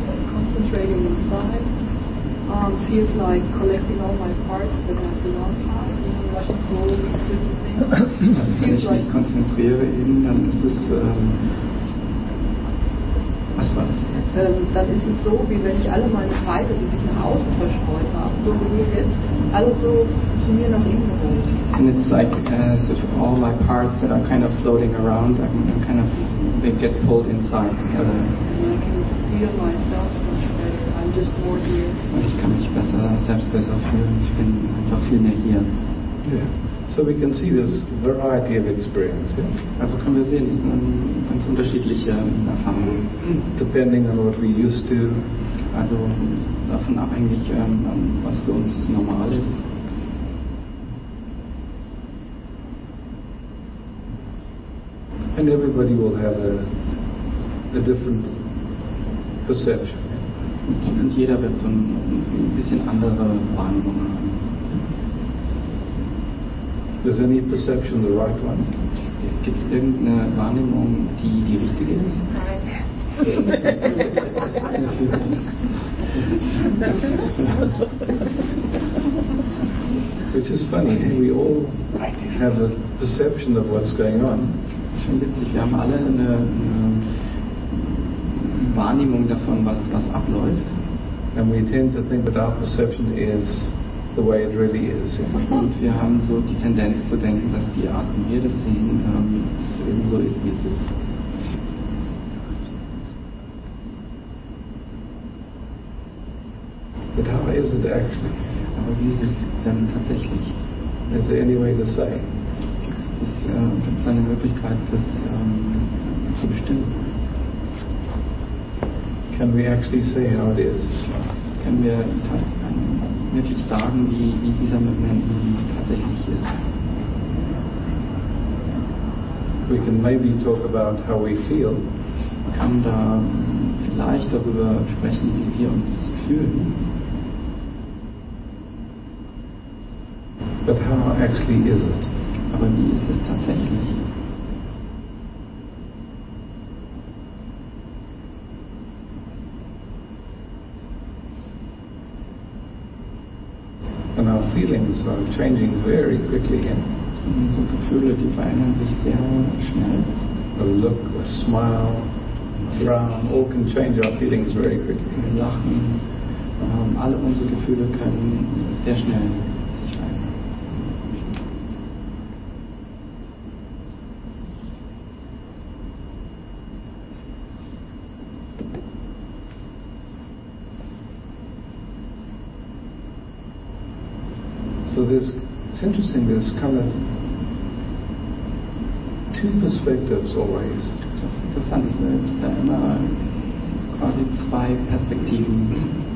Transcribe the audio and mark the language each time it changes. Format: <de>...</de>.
<en>Concentrating inside feels like collecting all my parts that I've been outside.</en> <de>Wenn ich mich konzentriere, dann ist es was war das? Dann ist es so, wie wenn ich alle meine Teile, die sich nach außen verstreut haben, so wie jetzt, alle so zu mir nach innen holen.</de> <en>And it's like as if all my parts that are kind of floating around, I'm kind of, they get pulled inside together. And I can feel myself much better. I'm just more here.</en> <de>Und ich kann mich besser, selbst besser fühlen. Ich bin einfach viel mehr hier.</de> <en>Yeah. So we can see this variety of experience. Yeah?</en> <de>Also können wir sehen, es sind ganz unterschiedliche Erfahrungen.</de> <en>Depending on what we used to.</en> <de>Also davon abhängig, was für uns normal ist.</de> <en>And everybody will have a different perception. Yeah?</en> <de>Und jeder wird so ein bisschen andere Wahrnehmung haben.</de> <en>Is any perception the right one?</en> <de>Gibt es irgendeine Wahrnehmung, die richtige ist?</de> <en>Which is funny. We all have a perception of what's going on.</en> <de>Schon witzig. Wir haben alle eine Wahrnehmung davon, was abläuft.</de> <en>And we tend to think that our perception is the way it really is.</en> <de>Und wir haben so die Tendenz zu denken, dass die Art, wie wir das sehen, eben so ist, wie es ist.</de> <en>But how is it actually?</en> <de>Aber wie ist es denn tatsächlich?</de> <en>Is there any way to say?</en> <de>Gibt es eine Möglichkeit, das zu bestimmen?</de> <en>Can we actually say how it is?</en> <de>Können wir wirklich sagen, wie dieser Moment tatsächlich ist?</de> <en>We can maybe talk about how we feel.</en> <de>Man kann da vielleicht darüber sprechen, wie wir uns fühlen.</de> <en>But how actually is it?</en> <de>Aber wie ist es tatsächlich?</de> <en>And our feelings are changing very quickly.</en> <de>Unsere Gefühle, die verändern sich sehr schnell.</de> <en>A look, a smile, a frown, all can change our feelings very quickly.</en> <de>Wir lachen. Alle unsere Gefühle können sehr schnell sich verändern.</de> <en>So it's interesting, there's kind of two perspectives always.</en> <de>Das Interessante ist, es gibt da immer quasi zwei Perspektiven.</de>